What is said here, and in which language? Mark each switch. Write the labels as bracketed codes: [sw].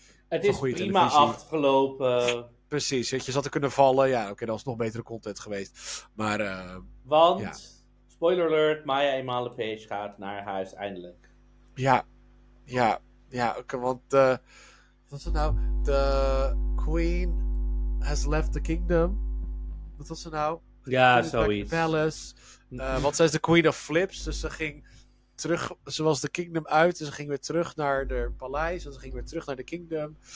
[nl] het is goede prima televisie. Afgelopen. Precies, je zat te kunnen vallen. Ja, oké, dat was nog betere content geweest. Maar, want, ja. Spoiler alert, Maya Emalepeche gaat naar huis eindelijk. Ja, oké, want wat was het nou? [en] The Queen has left the kingdom. [nl] Wat was het nou? Ja, zoiets. Palace. Want zij is de Queen of Flips, dus ze ging terug, ze was de kingdom uit en ze ging weer terug naar de paleis en ze ging weer terug naar de kingdom.